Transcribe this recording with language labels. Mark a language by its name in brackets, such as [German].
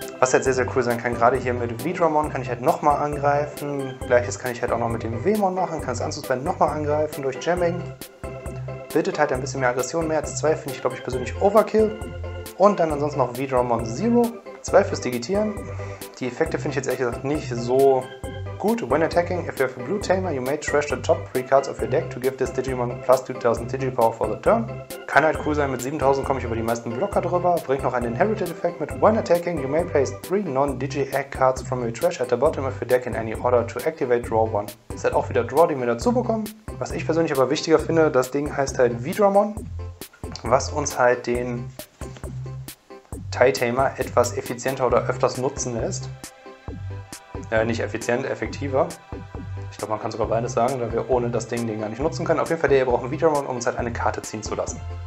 [German] Was halt sehr, sehr cool sein kann, gerade hier mit Vedramon kann ich halt nochmal angreifen. Gleiches kann ich halt auch noch mit dem Wemon machen, kann es unsuspend nochmal angreifen durch Jamming. Bildet halt ein bisschen mehr Aggression, mehr als 2 finde ich, glaube ich, persönlich Overkill. Und dann ansonsten noch Vedramon Zero. 2 fürs Digitieren. Die Effekte finde ich jetzt ehrlich gesagt nicht so gut. [English] When attacking, if you have a blue tamer, you may trash the top 3 cards of your deck to give this Digimon plus 2000 Digipower for the turn. [German] Kann halt cool sein, mit 7000 komme ich über die meisten Blocker drüber. Bringt noch einen Inherited Effekt mit. [English] When attacking, you may place 3 non-Digi-Egg cards from your trash at the bottom of your deck in any order to activate draw 1. [German] Ist halt auch wieder Draw, den wir dazu bekommen. Was ich persönlich aber wichtiger finde, das Ding heißt halt Vedramon, was uns halt den Tie-Tamer etwas effizienter oder öfters nutzen lässt. Nicht effizient, effektiver. Ich glaube, man kann sogar beides sagen, da wir ohne das Ding den gar nicht nutzen können. Auf jeden Fall, der braucht einen Vedramon, um uns halt eine Karte ziehen zu lassen.